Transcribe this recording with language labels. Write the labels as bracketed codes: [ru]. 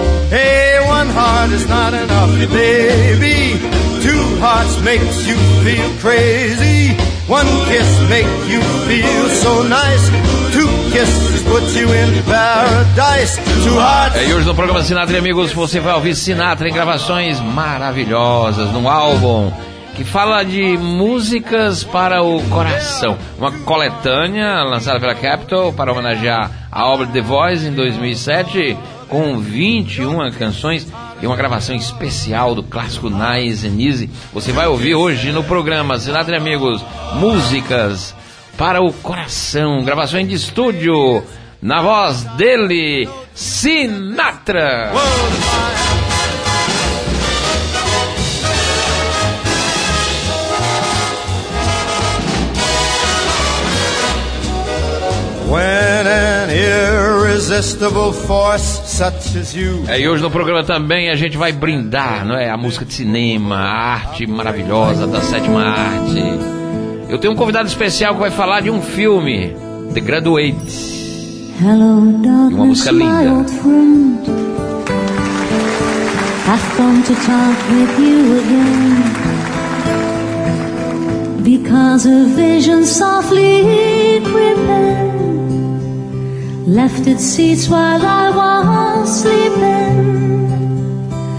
[en] Hey, one heart is not enough, baby. Two hearts makes you feel crazy. One kiss makes you feel so nice. Two kisses put you in paradise. Two hearts. [pt] E hoje no programa Sinatra e Amigos você vai ouvir Sinatra em gravações maravilhosas num álbum que fala de músicas para o coração. Uma coletânea lançada pela Capitol para homenagear a obra The Voice em 2007, com 21 canções e uma gravação especial do clássico Nice and Easy. Você vai ouvir hoje no programa Sinatra e Amigos, músicas para o coração, gravações de estúdio, na voz dele, Sinatra! [en] When an irresistible force such as you. [pt] É, e hoje no programa também a gente vai brindar, não é? A música de cinema, a arte maravilhosa da sétima arte. Eu tenho um convidado especial que vai falar de um filme, The Graduate. [en] Hello, darkness, [pt] e uma música linda. [en] My old friend. I've come to talk with you again. Because a vision softly prepared. Left its seats while I was sleeping.